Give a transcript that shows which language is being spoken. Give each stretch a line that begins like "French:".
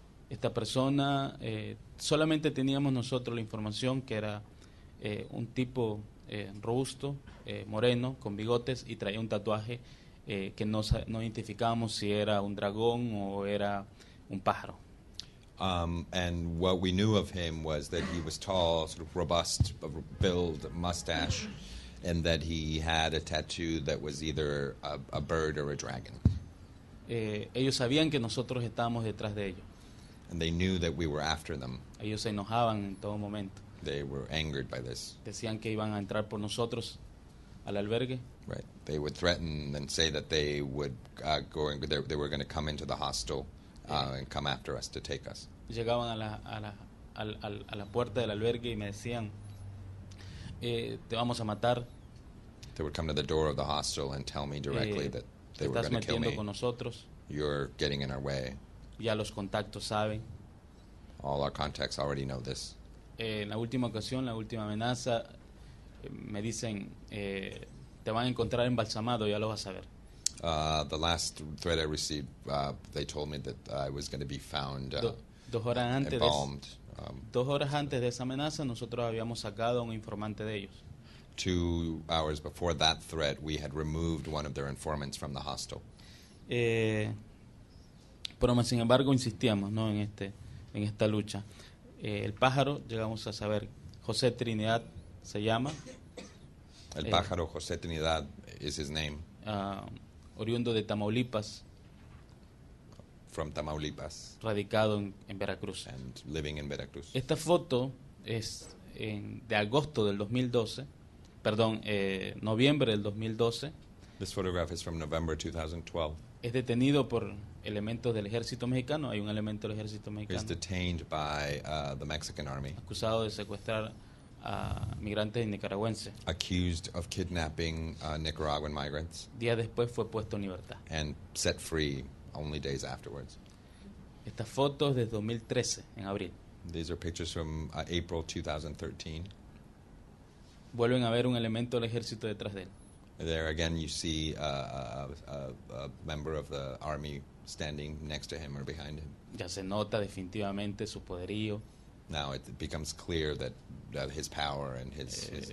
Spanish: Esta persona, solamente teníamos nosotros la información que era un tipo robusto, moreno, con bigotes, y traía un tatuaje que no identificábamos si era un dragón o era un pájaro.
English: And what we knew of him was that he was tall, sort of robust build, mustache, and that he had a tattoo that was either a bird or a dragon.
Spanish: Ellos sabían que nosotros estábamos detrás de ellos.
English: And they knew that we were after them.
Spanish: Ellos se enojaban en todo momento.
English: They were angered by this.
Spanish: Decían que iban a entrar por nosotros al albergue.
English: Right. They would threaten and say that they would they were going to come into the hostel and come after us to take us.
Spanish: Llegaban a la puerta del albergue y me decían, te vamos a matar.
English: They would come to the door of the hostel and tell me directly that they were going to kill me.
Spanish: Con nosotros.
English: You're getting in our way.
Spanish: Ya los contactos saben.
English: All our contacts already know this.
Spanish: En la última ocasión, la última amenaza, me dicen, te van a encontrar embalsamado, ya lo vas a ver.
English: The last threat I received, they told me that I was going to be found embalmed.
Spanish: 2 horas antes de esa amenaza, nosotros habíamos sacado un informante de ellos.
English: 2 hours before that threat, we had removed one of their informants from the hostel.
Spanish: Pero sin embargo insistíamos, ¿no?, en esta lucha. El pájaro, llegamos a saber, José Trinidad se llama.
English: El pájaro José Trinidad is his name.
Spanish: Oriundo de Tamaulipas.
English: From Tamaulipas.
Spanish: Radicado en Veracruz.
English: And living in Veracruz.
Spanish: Esta foto es de agosto del 2012. Perdón, noviembre del 2012.
English: This photograph is from November 2012.
Spanish: Es detenido por elementos del ejército mexicano. Hay un elemento del ejército mexicano.
English: Is detained by the Mexican army.
Spanish: Acusado de secuestrar a migrantes nicaragüenses.
English: Accused of kidnapping Nicaraguan migrants.
Spanish: Días después fue puesto en libertad.
English: And set free only days afterwards.
Spanish: Estas fotos de 2013, en abril.
English: These are pictures from April 2013.
Spanish: Vuelven a ver un elemento del ejército detrás de él.
English: There again you see a member of the army standing next to him or behind him.
Spanish: Ya se nota definitivamente su poderío.
English: Now it becomes clear that his power and his